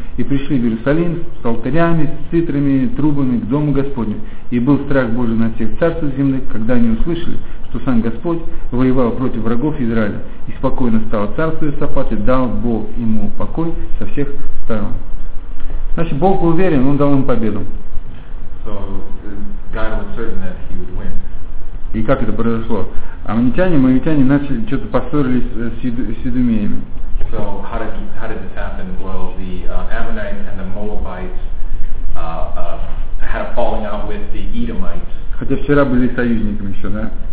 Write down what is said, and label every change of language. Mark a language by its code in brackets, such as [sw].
[ru] И пришли в Иерусалим с алтарями, с цитрами, трубами к Дому Господню. И был страх Божий на всех царствах земных, когда они услышали, что сам Господь воевал против врагов Израиля. И спокойно стало царство Иосафат, и дал Бог ему покой со всех сторон. Значит, Бог был уверен, Он дал им победу. [en] So, God was certain that he would win. [ru] И как это произошло? Аммонитяне, моавитяне начали что-то поссорились с идумеями. [en] So, how did this happen? Well, the Ammonites and the Moabites had a falling out with the Edomites. [ru] Хотя вчера были союзниками еще, да?